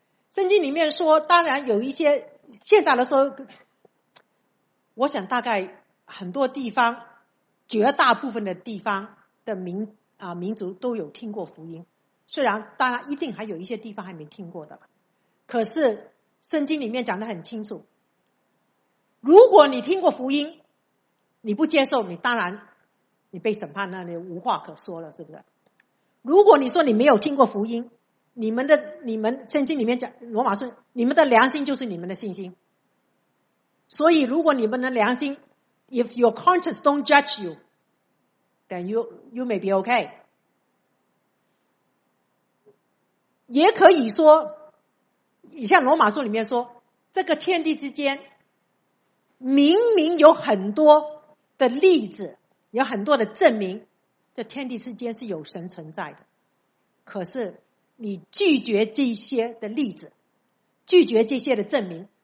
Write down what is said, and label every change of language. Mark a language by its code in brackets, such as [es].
[zh] 圣经里面说，当然有一些现在来说，我想大概很多地方，绝大部分的地方的民族都有听过福音，虽然当然一定还有一些地方还没听过的，可是圣经里面讲得很清楚，如果你听过福音你不接受，你当然你被审判，那你无话可说了，是不是？如果你说你没有听过福音，你们圣经里面讲罗马书，你们的良心就是你们的信心。所以如果你们的良心 [en] If your conscience don't judge you, then you may be okay。 [zh] 也可以说你像罗马书里面说，这个天地之间明明有很多的例子，有很多的证明这天地之间是有神存在的，可是你拒绝这些的例子，拒绝这些的证明，